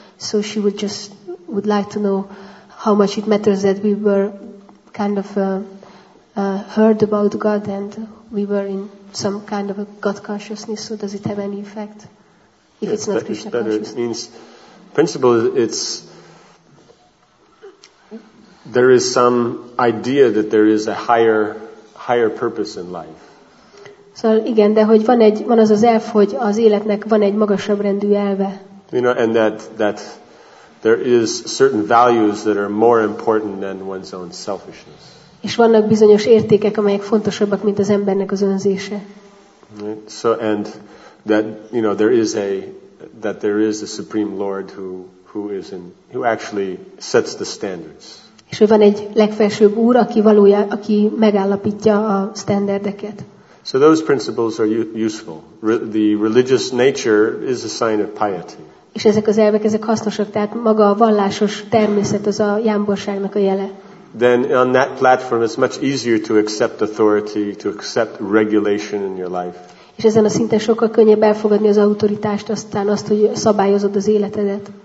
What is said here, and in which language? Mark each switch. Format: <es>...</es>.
<en>So she would just would like to know how much it matters that we were kind of heard about God and we were in some kind of a God consciousness, so does it have any effect if it's not Krishna consciousness? It means, principle, it's there is some idea that there is a higher purpose in life.</en> <hu>Szóval igen, de hogy van az az elv, hogy az életnek van egy magasabb rendű elve.</hu> <en>You know, and that there is certain values that are more important than one's own selfishness.</en> <hu>És vannak bizonyos értékek, amelyek fontosabbak, mint az embernek az önzése.</hu> <en>Right. So and that, you know, there is a supreme lord who actually sets the standards.</en> <hu>És hogy van egy legfelsőbb úr, aki valójában, aki megállapítja a standardeket.</hu> <en>So those principles are useful. The religious nature is a sign of piety.</en> <hu>És ezek az elvek, ezek hasznosak, tehát maga a vallásos természet az a jámborságnak a jele.</hu> <en>Then on that platform it's much easier to accept authority, to accept regulation in your life.</en> <hu>És ezen a szinten sokkal könnyebb elfogadni az autoritást, aztán azt, hogy szabályozod az életedet.</hu>